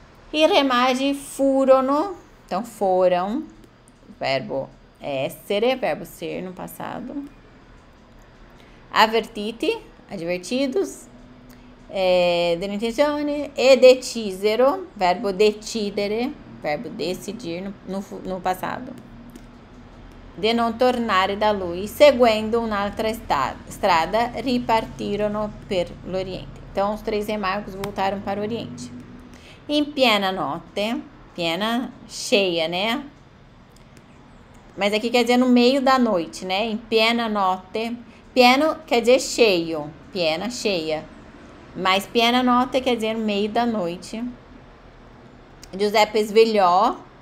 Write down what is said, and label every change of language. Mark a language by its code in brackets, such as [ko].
[it] e remagi furono, então foram, verbo essere, verbo ser no passado, avvertiti, advertidos, delle intenzioni, e decisero, verbo decidere, verbo decidir no passado. De non tornare da lui, seguendo un'altra strada, ripartirono per l'Oriente. [pt] Então, os três remagos voltaram para o Oriente. [it] In piena notte, [pt] piena, cheia, né? Mas aqui quer dizer no meio da noite, né? In piena notte, pieno quer dizer cheio, piena, cheia. Mas piena notte quer dizer no meio da noite. [it] Giuseppe svegliò.